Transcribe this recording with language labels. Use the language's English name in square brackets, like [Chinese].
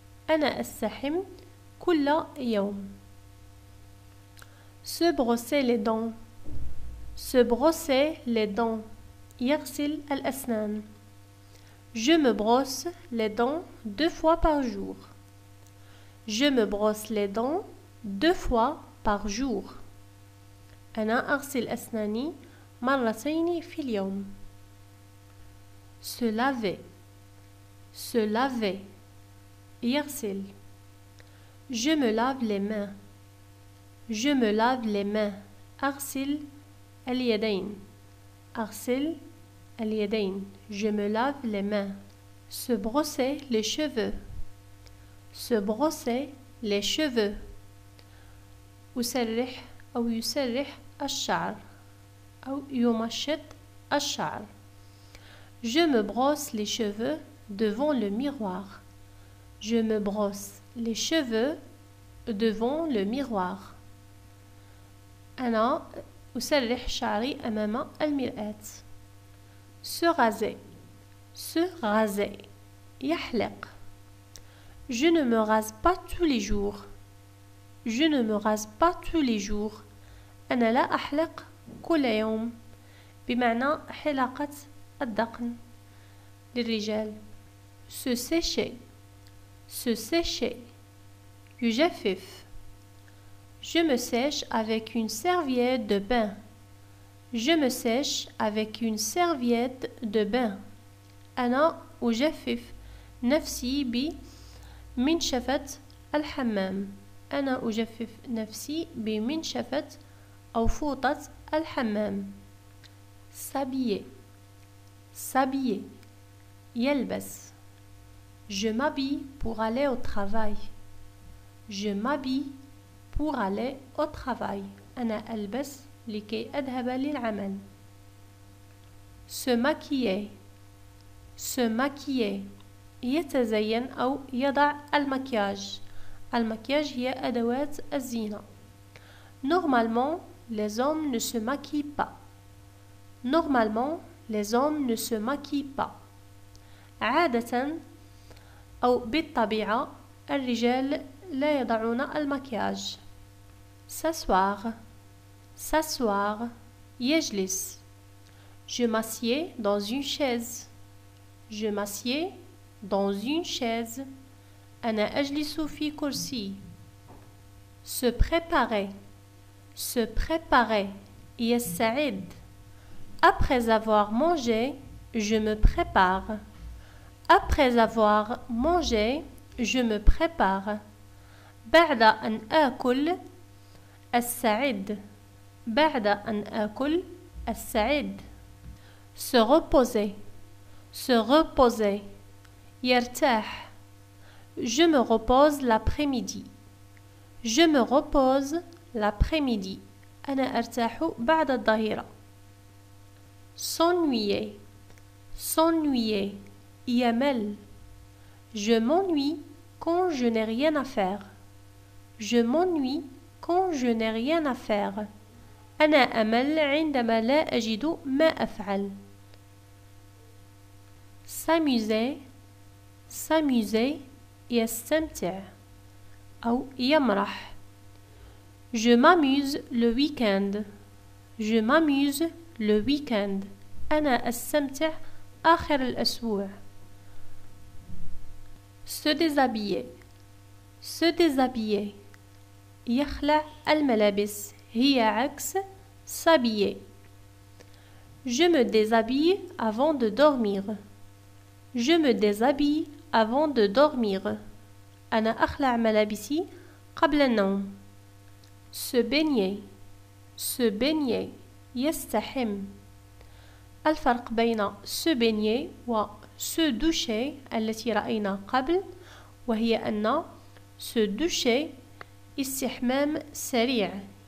[Arabic] أنا أستحم كل يوم. [French] Se brosser les dents. Se brosser les dents. [Arabic] يغسل الأسنان. [French] Je me brosse les dents deux fois par jour. Je me brosse les dents deux fois par jour. [Arabic] أنا أغسل أسناني مرتين في اليوم. [French] Se laver. Se laver. [Arabic] يغسل. [French] Je me lave les mains. Je me lave les mains. [Arabic] أغسل اليدين. أغسل اليدين. [French] Je me lave les mains. Se brosser les cheveux. Se brosser les cheveux. [Arabic] أسرح أو يسرح الشعر أو يمشط الشعر. [French] Je me brosse les cheveux devant le miroir. Je me brosse les cheveux devant le miroir. [Arabic] أنا أسرح شعري أمام المرآة. [French] Se raser. Se raser. [Arabic] يحلق. [French] Je ne me rase pas tous les jours. Je ne me rase pas tous les jours. [Arabic] أنا لا أحلق كل يوم، بمعنى حلاقة الدقن للرجال. [French] Se sécher. Se sécher. [Arabic] يجفف. [French] Je me sèche avec une serviette de bain. Je me sèche avec une serviette de bain. [Arabic] أنا أجفف نفسي بمنشفة الحمام. أنا أجفف نفسي بمنشفة أو فوطة الحمام. [French] S'habiller. S'habiller. [Arabic] يلبس. [French] Je m'habille pour aller au travail. Je m'habille pour aller au travail. [Arabic] أنا ألبس لكي أذهب للعمل. [French] Se maquiller. Se maquiller. [Arabic] يتزين أو يضع المكياج. المكياج هي أدوات الزينة. [French] Normalement, les hommes ne se maquillent pas. Normalement, les hommes ne se maquillent pas. [Arabic] عادة أو بالطبيعة الرجال لا يضعون المكياج. [French] S'asseoir. S'asseoir. [Arabic] يجلس. [French] Je m'assieds dans une chaise. Je m'assieds dans une chaise. [Arabic] أنا أجلس في كرسي. [French] Se préparer. Se préparer. [Arabic] يستعد. [French] Après avoir mangé, je me prépare. Après avoir mangé, je me prépare. [Arabic] بعد أن آكل السعيد. بعد أن آكل السعيد. [French] Se reposer. Se reposer. [Arabic] يرتاح. [French] Je me repose l'après-midi. Je me repose l'après-midi. [Arabic] أنا أرتاح بعد الظهيرة. [French] S'ennuyer. S'ennuyer. [Arabic] يمل. [French] Je m'ennuie quand je n'ai rien à faire. Je m'ennuie quand je n'ai rien à faire. [Arabic] أنا أمل عندما لا أجد ما أفعل. [French] S'amuser. S'amuser. [Arabic] يستمتع أو يمرح. [French] Je m'amuse le week-end. Je m'amuse le week-end. [Arabic] أنا أستمتع آخر الأسبوع. [French] Se déshabiller. Se déshabiller. [Arabic] يخلع الملابس. هي عكس s'habiller. [French] Je me déshabille avant de dormir. Je me déshabille avant de dormir. [Arabic] أنا أخلع ملابسي قبل النوم. [French] Se baigner. Se baigner. [Arabic] يستحم. الفرق بين se baigner و se doucher التي رأينا قبل وهي أن se doucher استحمام سريع.